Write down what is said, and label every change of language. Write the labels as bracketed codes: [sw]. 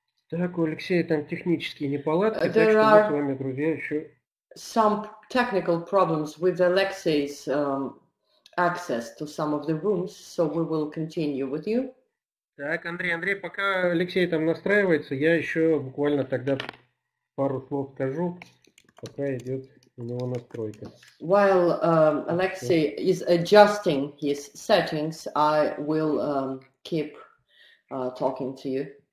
[ru] Так, у Алексея там технические неполадки, так что мы с вами, друзья, еще. [en] Some technical problems with Alexei's access to some of the rooms, so we will continue with you. [ru] Так, Андрей, пока Алексей там настраивается, я еще буквально тогда пару слов скажу, пока идет у него настройка. [en] While Alexei is adjusting his settings, I will keep talking to you.